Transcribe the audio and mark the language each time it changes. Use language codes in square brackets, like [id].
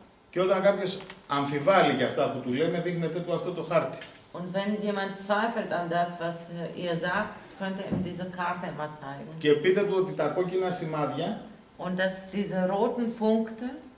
[el] Και όταν κάποιος αμφιβάλλει για αυτά που του λέμε, δείχνετε του αυτό το χάρτη. [de] Und wenn jemand zweifelt an das, was ihr sagt, könnt ihr ihm diese Karte mal zeigen. [el] Και πείτε του ότι τα κόκκινα σημάδια [de] und dass diese roten Punkte